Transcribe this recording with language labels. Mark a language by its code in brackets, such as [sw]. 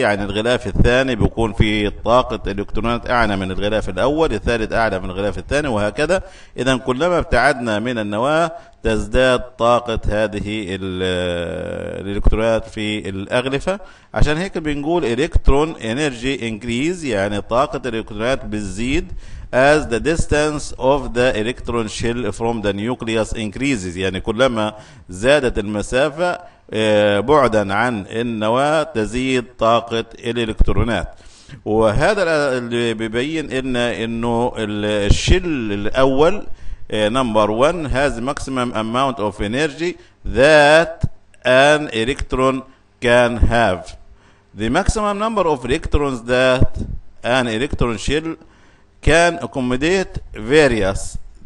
[ar] يعني الغلاف الثاني بيكون في طاقة الإلكترونات أعلى من الغلاف الأول، الثالث أعلى من الغلاف الثاني وهكذا. إذا كلما ابتعدنا من النواة تزداد طاقة هذه الإلكترونات في الأغلفة. عشان هيك بنقول [en] electron energy increase، [ar] يعني طاقة الإلكترونات بتزيد [en] as the distance of the electron shell from the nucleus increases. [ar] يعني كلما زادت المسافة بعدا عن النواة تزيد طاقة الإلكترونات. وهذا اللي بيبين لنا انه الشل الاول [en] number 1 has maximum amount of energy that an electron can have. The maximum number of electrons that an electron shell can accommodate varies.